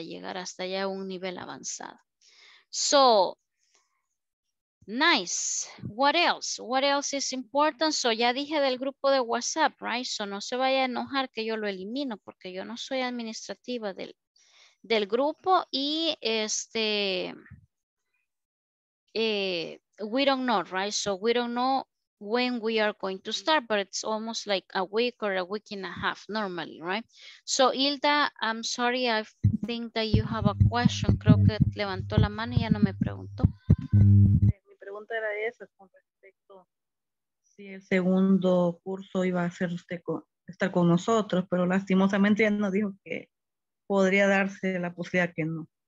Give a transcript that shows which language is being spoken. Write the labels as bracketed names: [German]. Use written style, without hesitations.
[Spanish] Llegar hasta ya a un nivel avanzado. [English] So, nice. What else? What else is important? [Spanish] So ya dije del grupo de WhatsApp, right? So no se vaya a enojar que yo lo elimino porque yo no soy administrativa del grupo y este... [English] we don't know, right? So we don't know when we are going to start, but it's almost like a week or a week and a half normally, right? So Hilda, I'm sorry, I think that you have a question. [Spanish] Creo que levantó la mano y ya no me preguntó. Mi pregunta era esa con respecto si el segundo curso iba a ser usted estar con nosotros, pero lastimosamente ya nos dijo que podría darse la posibilidad que no.